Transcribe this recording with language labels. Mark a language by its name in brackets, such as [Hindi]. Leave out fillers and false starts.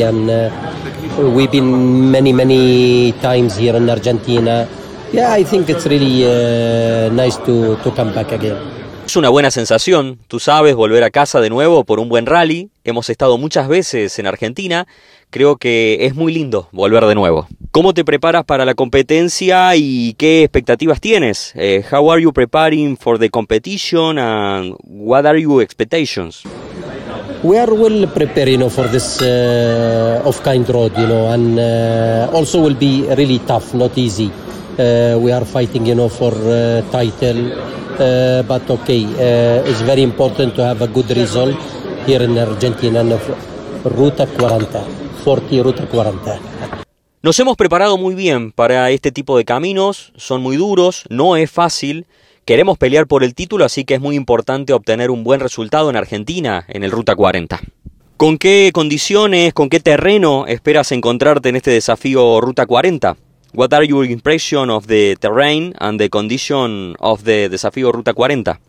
[English] And we've been many times here in Argentina. Yeah, I think it's really nice to come back again. [Spanish] Es una buena sensación, tú sabes, volver a casa de nuevo por un buen rally. Hemos estado muchas veces en Argentina. Creo que es muy lindo volver de nuevo. ¿Cómo te preparas para la competencia y qué expectativas tienes? [English] How are you preparing for the competition and what are your expectations? We are well prepared, you know, for this of kind road, you know, and also will be really tough, not easy. We are fighting, you know, for title, but okay, it's very important to have a good result here in Argentina and Ruta 40. [Spanish] Nos hemos preparado muy bien para este tipo de caminos, son muy duros, no es fácil, queremos pelear por el título, así que es muy importante obtener un buen resultado en Argentina en el Ruta 40. ¿Con qué condiciones, con qué terreno esperas encontrarte en este desafío Ruta 40? [English] What are your impression of the terrain and the condition of the desafío Ruta 40?